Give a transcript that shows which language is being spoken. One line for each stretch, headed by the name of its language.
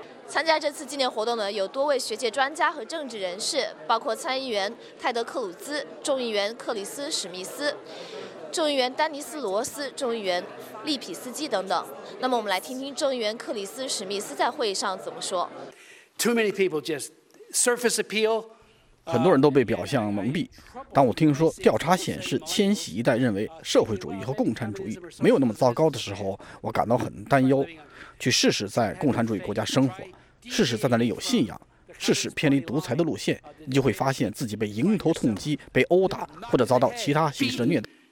Chinese: 参加这次纪念活动呢，有多位学界专家和政治人士，包括参议员泰德·克鲁兹、众议员克里斯·史密斯、众议员丹尼斯·罗斯、众议员利匹斯基等等。那么我们来听听众议员克里斯·史密斯在会议上怎么说。
English: Too many people just surface appeal.
Chinese: 很多人都被表象蒙蔽。当我听说调查显示千禧一代认为社会主义和共产主义没有那么糟糕的时候，我感到很担忧。去试试在共产主义国家生活，试试在那里有信仰，试试偏离独裁的路线，你就会发现自己被迎头痛击、被殴打或者遭到其他形式的虐待。